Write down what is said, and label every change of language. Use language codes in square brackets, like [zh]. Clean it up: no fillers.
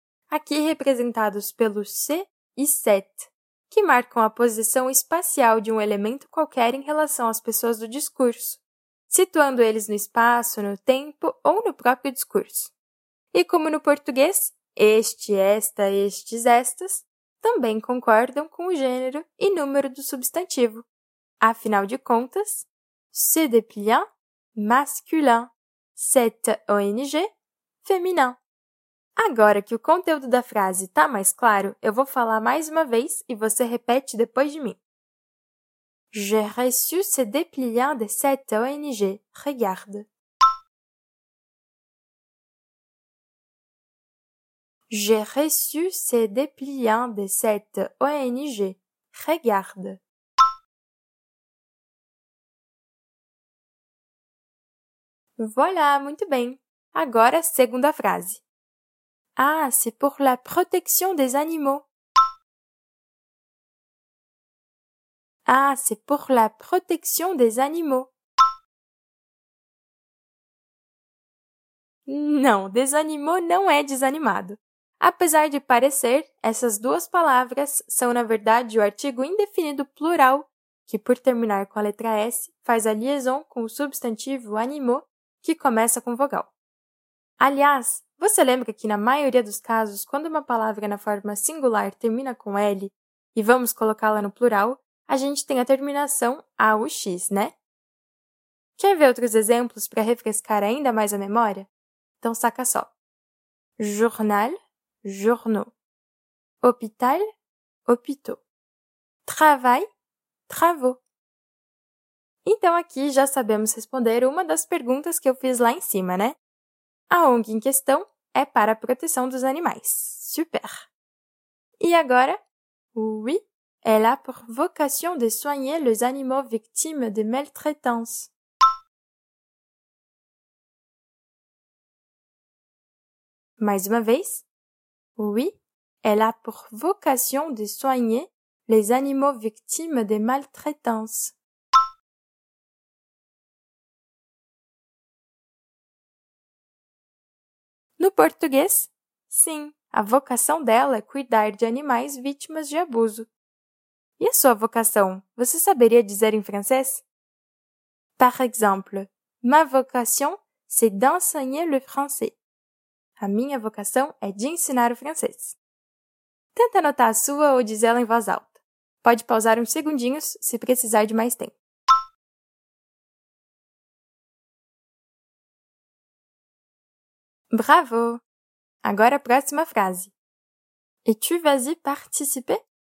[pt] Aqui representados pelo se e set, que marcam a posição espacial de um elemento qualquer em relação às pessoas do discurso. situando eles no espaço, no tempo ou no próprio discurso. E como no português, este, esta, estes, estas, também concordam com o gênero e número do substantivo. Afinal de contas, [fr] ce dépliant, masculin, cette ONG, féminin. [pt] Agora que o conteúdo da frase está mais claro, eu vou falar mais uma vez e você repete depois de mim. [fr] J'ai reçu ce dépliant de cette ONG. Regarde. J'ai reçu ce dépliant de cette ONG. Regarde. [pt] Voilà, muito bem. Agora, segunda frase. [fr] Ah, c'est pour la protection des animaux. Ah, c'est pour la protection des animaux. [pt] Não, des animaux não é desanimado. Apesar de parecer, essas duas palavras são, na verdade, o artigo indefinido plural, que, por terminar com a letra S, faz a liaison com o substantivo animaux, que começa com vogal. Aliás, você lembra que, na maioria dos casos, quando uma palavra na forma singular termina com L e vamos colocá-la no plural, a gente tem a terminação AUX, né? Quer ver outros exemplos para refrescar ainda mais a memória? Então, saca só. [fr] Journal, journaux. Hôpital, hôpitaux. Travail, travaux. [pt] Então, aqui já sabemos responder uma das perguntas que eu fiz lá em cima, né? A ONG em questão é para a proteção dos animais. Super! E agora? [fr] Oui, elle a pour vocation de soigner les animaux victimes de maltraitance. [pt] Mais uma vez. [fr] Oui, elle a pour vocation de soigner les animaux victimes de maltraitance. [pt] No português, sim, a vocação dela é cuidar de animais vítimas de abuso. E a sua vocação, você saberia dizer em francês? [fr] Par exemple, ma vocation, c'est d'enseigner le français. [pt] A minha vocação é de ensinar o francês. Tenta anotar a sua ou dizê-la em voz alta. Pode pausar uns segundinhos se precisar de mais tempo. [fr] Bravo! [pt] Agora a próxima frase. [fr] Et tu vas y participer?